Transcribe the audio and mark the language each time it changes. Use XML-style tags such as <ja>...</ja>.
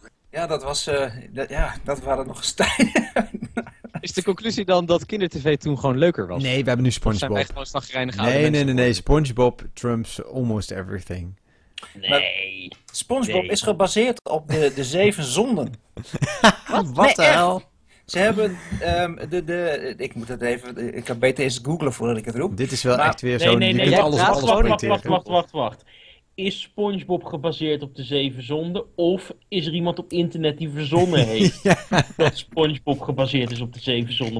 <nl>Ja, dat was dat waren nog stijlen. Is de conclusie dan dat kindertv toen gewoon leuker was? Nee, we hebben nu SpongeBob. Zijn wij gewoon slaggereinig oude mensen? Nee.</nl> <en>SpongeBob trumps almost everything.</en> <nl>Nee. Maar SpongeBob is gebaseerd op de zeven zonden. Wat de hel? Ze hebben ik moet het even... Ik kan beter eens googlen voordat ik het roep. Dit is wel maar, echt weer zo'n... Nee, je kunt alles op alles projecteren. Wacht. Is SpongeBob gebaseerd op de zeven zonden? Of is er iemand op internet die verzonnen heeft dat SpongeBob gebaseerd is op de zeven zonden?</nl>